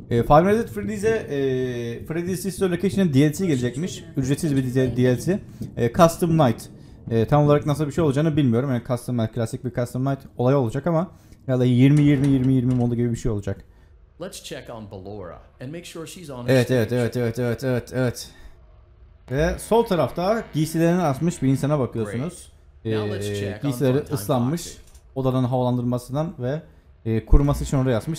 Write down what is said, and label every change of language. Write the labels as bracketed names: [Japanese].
[Turkish] Five Nights at Freddy's'e Freddy's Sister Location'ın DLC gelecekmiş. Ücretsiz bir DLC. Custom Night. Tam olarak nasıl bir şey olacağını bilmiyorum. Yani Custom Night, klasik bir Custom Night olayı olacak ama ya da 20-20-20-20 modu gibi bir şey olacak. [English] Let's check on Ballora and make sure she's on. [Turkish] Evet. Ve sol tarafta giysilerini asmış bir insana bakıyorsunuz. Giysileri ıslanmış, odanın havalandırmasından ve kuruması için oraya yatmış.